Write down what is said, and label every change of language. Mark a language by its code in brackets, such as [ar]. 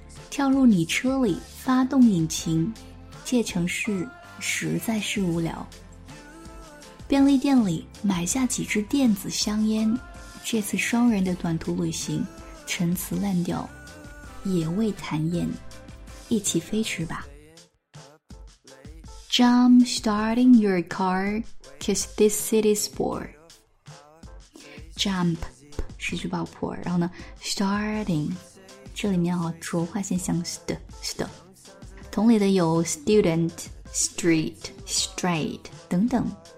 [zh] 跳入你车里，发动引擎，借城市实在是无聊。便利店里买下几支电子香烟，这次双人的短途旅行，陈词滥调，也未谈厌，一起飞驰吧。 [en] Jump starting your car, cause this city's bore. Jump. [zh] 失去爆破，然后呢 ，starting， 这里面啊，浊化现象 st， 同理的有 student、street、straight 等等。